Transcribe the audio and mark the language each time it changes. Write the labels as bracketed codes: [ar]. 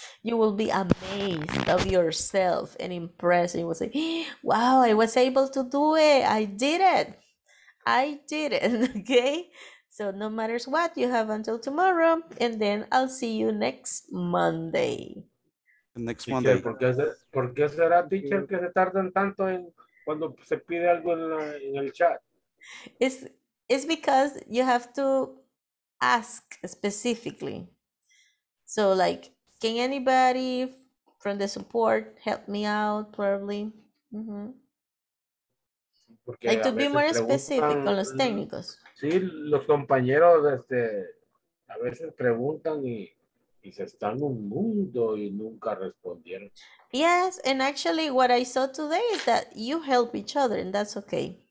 [en] You will be amazed of yourself and impressed. You will say, wow, I was able to do it. I did it. Okay. So no matter what, you have until tomorrow. And then I'll see you next Monday. Next Monday. [es] ¿Por qué será, teacher, que se tardan tanto en cuando se pide algo en el chat? [en] It's because you have to ask specifically. So, like, can anybody from the support help me out, probably? Mm-hmm. Like, to be more specific [es] con los técnicos. Sí, los compañeros a veces preguntan y se están un mundo y nunca respondieron. [en] Yes, and actually what I saw today is that you help each other, and that's okay.